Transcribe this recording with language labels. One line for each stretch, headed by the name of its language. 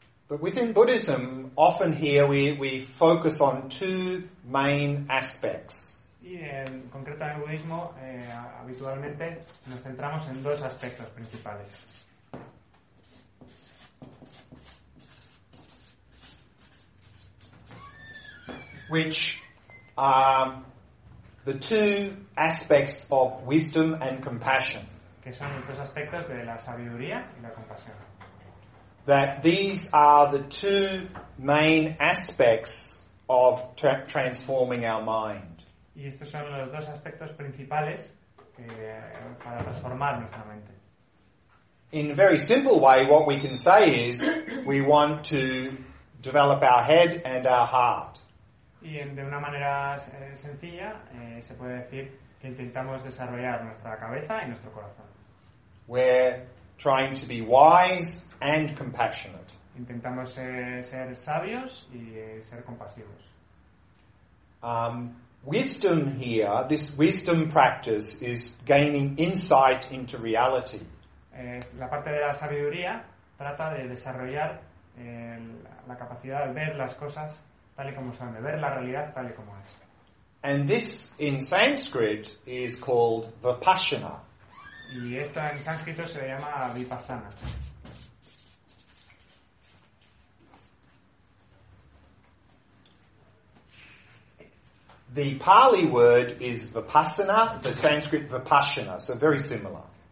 English: But within Buddhism, often here we focus on two main aspects.
Spanish: Y concreto en el budismo, habitualmente nos centramos en dos aspectos principales.
English: Which are the two aspects of wisdom and compassion.
Spanish: Que son los dos aspectos de la sabiduría y la compasión.
English: That these are the two main aspects of transforming our mind.
Spanish: Y estos son los dos aspectos principales para transformar nuestra mente.
English: In a very simple way, what we can say is we want to develop our head and our heart.
Spanish: Y de una manera sencilla se puede decir que intentamos desarrollar nuestra cabeza y nuestro corazón.
English: We're trying to be wise and compassionate.
Spanish: Intentamos ser sabios y ser compasivos.
English: Wisdom here, this wisdom practice is gaining insight into reality.
Spanish: La parte de la sabiduría trata de desarrollar la capacidad de ver las cosas tal y como son, de ver la realidad tal y como es.
English: And this in Sanskrit is called Vipassana.
Spanish: Y esto en sánscrito se llama Vipassana.
English: The Pali word is Vipassana, the Sanskrit Vipassana, so very similar.